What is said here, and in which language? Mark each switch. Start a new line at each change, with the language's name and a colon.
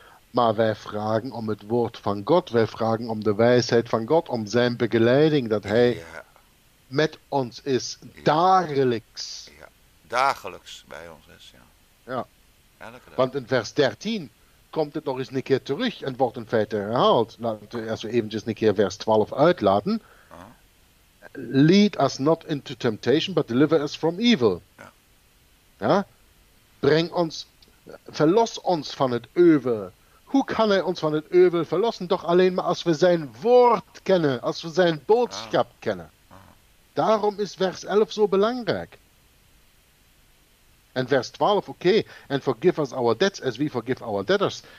Dutch: Maar wij vragen om het woord van God. Wij vragen om de wijsheid van God, om zijn begeleiding, dat hij met ons is, dagelijks. Ja, dagelijks bij ons is, ja. Ja, elke dag. Want in vers 13... komt het nog eens een keer terug en wordt in feite herhaald. Laten we eerst eventjes een keer vers 12 uitlaten. Uh-huh.
English: Lead us not into temptation, but deliver us from evil.
Dutch: Ja. Ja? Breng ons, verlos ons van het euvel. Hoe kan hij ons van het euvel verlossen? Doch alleen maar als we zijn woord kennen, als we zijn boodschap kennen. Uh-huh. Daarom is vers 11 zo belangrijk. En vers 12, oké,
English: and forgive us our debts as we forgive our debtors.